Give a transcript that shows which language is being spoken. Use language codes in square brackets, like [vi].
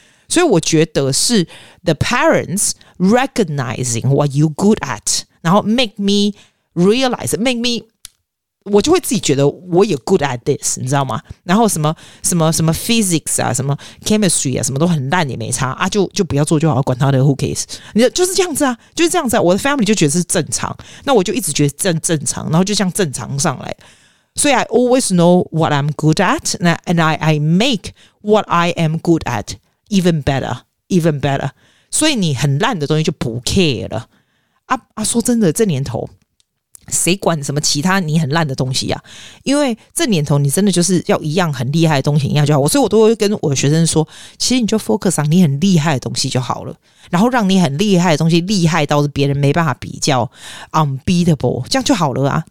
[zh] 所以我觉得是 [en] the parents recognizing what you good at， [zh] 然后 [en] make me realize， make me， [zh] 我就会自己觉得我也 [en] good at this， [zh] 你知道吗？然后什么什么什么 physics 啊，什么 chemistry 啊，什么都很烂也没差啊，就不要做就好，管他的 [en] who cares， [zh] 你就是这样子啊，就是这样子啊。我的 family 就觉得是正常，那我就一直觉得正常，然后就像正常上来。所以 [en] I always know what I'm good at， and I make what I am good at。 Even better. [zh] 所以你很烂的东西就不 care 了。啊啊，说真的，这年头谁管什么其他你很烂的东西啊？因为这年头你真的就是要一样很厉害的东西一样就好。所以我都会跟我的学生说，其实你就 [en] focus on [zh] 你很厉害的东西就好了，然后让你很厉害的东西厉害到是别人没办法比较 unbeatable， 这样就好了啊。